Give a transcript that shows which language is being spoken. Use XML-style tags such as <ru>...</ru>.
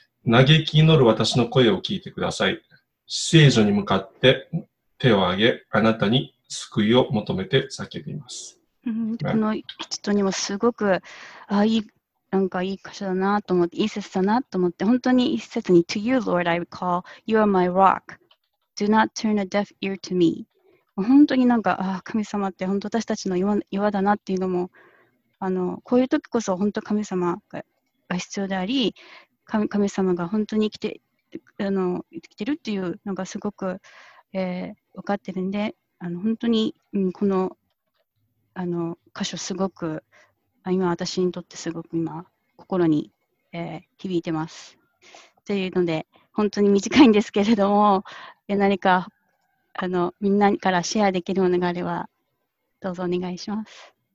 <ja>嘆き祈る私の声を聞いてください。聖女に向かって手を挙げ、あなたに救いを求めて叫びます。うん、この1と2もすごく、あ、いい、なんかいい箇所だなと思って、いい節だなと思って、本当に一節に</ja> <en>To you, Lord, I recall, you are my rock. Do not turn a deaf ear to me.</en> <ja>本当になんか、あ、神様って本当私たちの 岩だなっていうのも、あの、こういう時こそ本当神様が必要であり、神様が本当に生きてるっていうのがすごく、分かってるんで、あの、本当に、うん、このあの箇所すごく今私にとってすごく今心に、響いてますというので、本当に短いんですけれども、何かあのみんなからシェアできるものがあればどうぞお願いします。</ja>